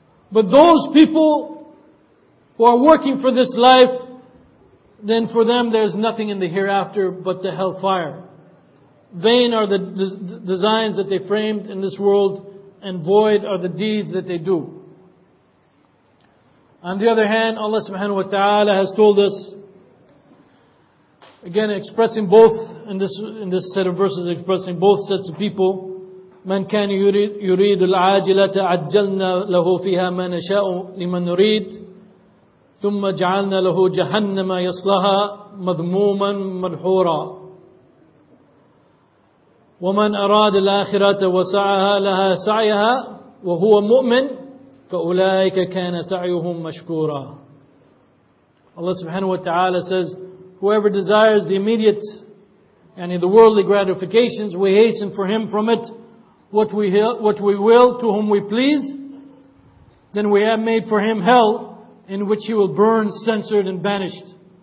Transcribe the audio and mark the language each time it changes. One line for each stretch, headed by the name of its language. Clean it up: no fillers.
English: But those people who are working for this life, then for them there's nothing in the hereafter but the hellfire. Vain are the designs that they framed in this world, and void are the deeds that they do. On the other hand, Allah subhanahu wa ta'ala has told us, again expressing both, in this set of verses expressing both sets of people,
Arabic: مَنْ كَانِ يُرِيدُ الْعَاجِلَةَ عَجَّلْنَا لَهُ فِيهَا مَا نَشَاءُ لِمَنْ نُرِيدُ ثُمَّ جَعَلْنَا لَهُ جَهَنَّمَا يَصْلَهَا مَذْمُومًا مَلْحُورًا وَمَنْ أَرَادَ الْآخِرَةَ وَسَعَهَا لَهَا سَعْيَهَا وَهُوَ مُؤْمِنُ فَأُولَٰئِكَ كَانَ سَعْيُهُمْ مَشْكُورًا.
English: Allah subhanahu wa ta'ala says, whoever desires the immediate, yani the worldly gratifications, we hasten for him from it what we will, to whom we please. Then we have made for him hell, in which he will burn, censored and banished.